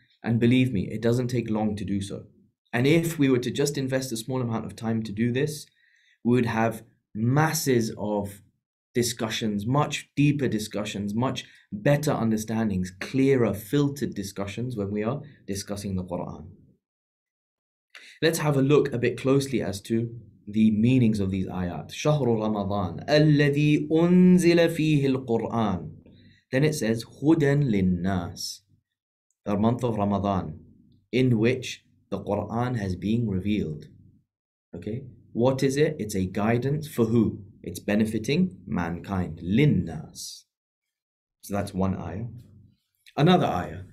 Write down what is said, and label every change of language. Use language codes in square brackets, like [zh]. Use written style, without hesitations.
[en] And believe me, it doesn't take long to do so. And if we were to just invest a small amount of time to do this, we would have masses of discussions, much deeper discussions, much better understandings, clearer, filtered discussions when we are discussing the Quran. Let's have a look a bit closely as to the meanings of these ayat. [ar] شهر رمضان الذي أنزل فيه القرآن. [en] Then it says, [ar] هُدًى لِلنَّاسِ, [en] the month of Ramadan, in which the Qur'an has been revealed. Okay, what is it? It's a guidance for who? It's benefiting mankind. لِلنَّاسِ. So that's one ayah. Another ayah.